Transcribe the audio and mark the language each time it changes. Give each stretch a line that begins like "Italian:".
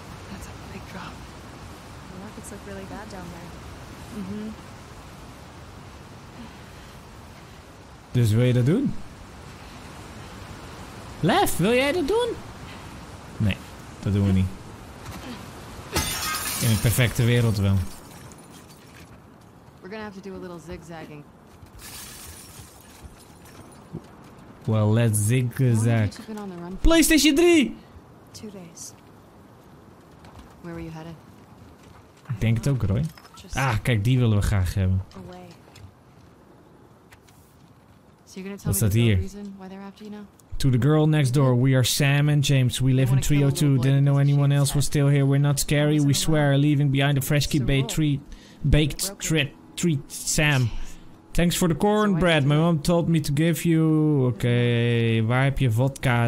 English: That's a big drop. The markets look really bad down there.
Dutch: Mm-hmm. Dus wil je dat doen? Lef, wil jij dat doen? Nee, dat doen we niet. In een perfecte wereld wel.
English: We're gonna have to do a little zigzagging. Well, let's zigzag. PlayStation 3! 2 days. Where were you headed?
Dutch: Ik denk het ook, Roy. Ah, kijk, die willen we graag hebben. Wat staat hier?
English: To the girl next door, we are Sam and James. We live in 302. Didn't know anyone else was still here. We're not scary, we swear. Leaving behind a freshly baked treat, Sam. Thanks for the cornbread. My mom told me to give you...
Dutch: Okay, waar heb je vodka?